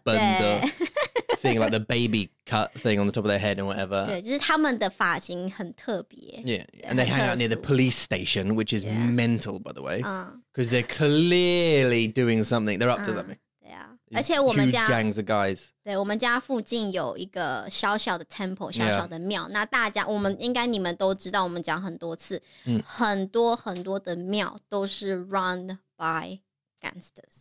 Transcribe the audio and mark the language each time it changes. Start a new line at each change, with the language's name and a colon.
English: thing， like the baby cut thing on the top of their head and whatever.
Chinese: 对，就是他们的发型很特别。
English: Yeah, and they hang out near the police station, which is mental, by the way, because they're clearly doing something. They're up to something.
Chinese: 而且我们家,
English: huge gangs of guys.
Chinese: 对，我们家附近有一个小小的 temple, 小小的庙。那大家, 我们应该你们都知道, 我们讲很多次, 很多很多的庙都是
English: run by gangsters.